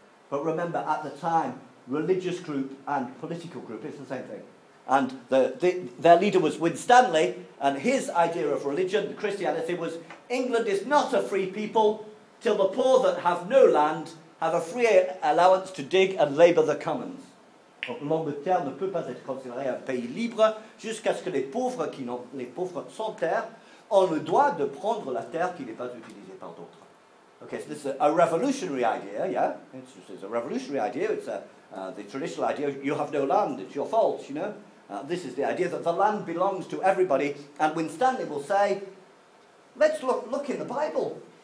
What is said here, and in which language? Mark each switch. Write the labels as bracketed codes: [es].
[en] But remember, at the time, religious group and political group is the same thing. And their leader was Winstanley, and his idea of religion, Christianity, was England is not a free people till the poor that have no land have a free allowance to dig and labour the commons. [fr] Donc l'Angleterre ne peut pas être considérée un pays libre jusqu'à ce que les pauvres sans terre ont le droit de prendre la terre qui n'est pas utilisée par d'autres. [en] Okay, so this is a revolutionary idea, yeah? It's a revolutionary idea. It's the traditional idea, you have no land, it's your fault, you know? This is the idea that the land belongs to everybody. And Winstanley will say, let's look in the Bible.